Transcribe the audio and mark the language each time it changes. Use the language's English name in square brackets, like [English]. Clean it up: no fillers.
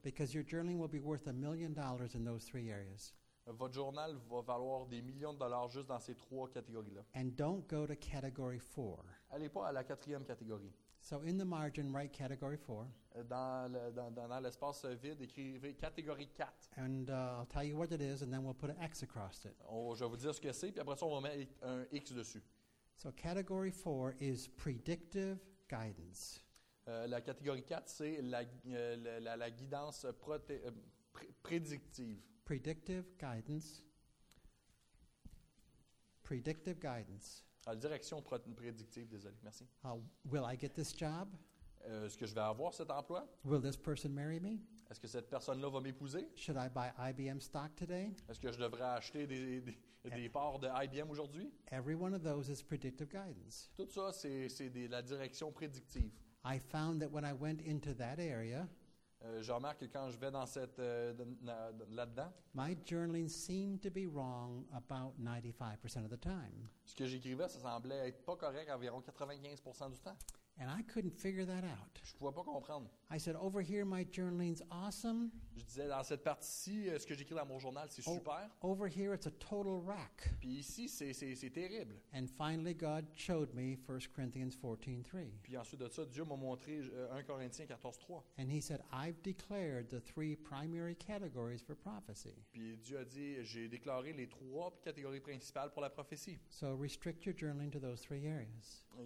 [English] Because your journaling will be worth $1 million in those three areas. [French] Votre journal va valoir des millions de dollars juste dans ces trois catégories-là. [English] And don't go to category four. [French] Allez pas à la quatrième catégorie. [English] So in the margin, write category four. [French] Dans l'espace vide, écrivez catégorie 4. [English] And I'll tell you what it is, and then we'll put an X across it. [French] Je vais vous dire ce que c'est, puis après ça, on va mettre un X dessus. [English] So category four is predictive guidance. [French] La catégorie 4, c'est la guidance prédictive. [English] Predictive guidance. Predictive guidance. [French] Direction prédictive, désolé, merci. [English] Will I get this job? [French] Est-ce que je vais avoir cet emploi? [English] Will this person marry me? [French] Est-ce que cette personne-là va m'épouser? [English] Should I buy IBM stock today? [French] Est-ce que je devrais acheter des parts de IBM aujourd'hui? [English] Every one of those is predictive guidance. [French] Tout ça, c'est de la direction prédictive. [English] I found that when I went into that area, [French] je remarque que quand je vais dans cette là-dedans, [English] my journaling seemed to be wrong about 95% of the time. [French] Ce que j'écrivais, ça semblait être pas correct environ 95% du temps. [English] And I couldn't figure that out. [French] Je pouvais pas comprendre. [English] I said, over here, my journaling's awesome. [French] Je disais, dans cette partie-ci, ce que j'écris dans mon journal, c'est super. [English] Over here, it's a total wreck. [French] Puis ici, c'est terrible. [English] And finally, God showed me 1 Corinthians 14:3. [French] Puis ensuite de ça, Dieu m'a montré 1 Corinthiens 14:3. [English] And he said, I've declared the three primary categories for prophecy. [French] Puis Dieu a dit, j'ai déclaré les trois catégories principales pour la prophétie. [English] So restrict your journaling to those three areas.